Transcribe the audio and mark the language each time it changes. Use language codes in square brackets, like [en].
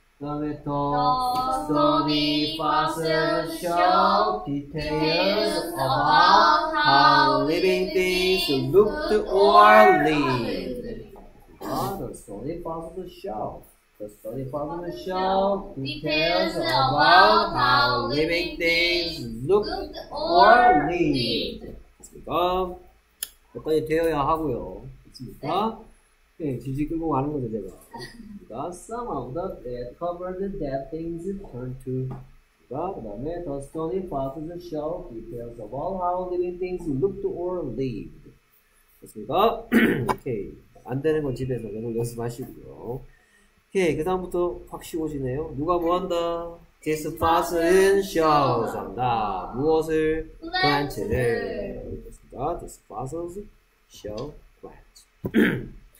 [en] The little stony fossils show details about how living things looked or lived. The stony fossils show The stony fossils show details about how living things looked or lived. [ko] 여기까지 되어야 하고요. 있습니까? 네, 지지 끌고 가는 거죠, 제가. [en] Some of the dead covered dead things turn to. [ko] 그 다음에 [en] The stony fossils show details about how living things looked or lived. [ko] 됐습니까? 오케이. 안 되는 건 집에서 계속 연습하시고요. 오케이, 그 다음부터 확 쉬워지네요. 누가 뭐한다? [en] This fossil shows [ko] 한다. 무엇을? [en] Plant를. This fossil show plant.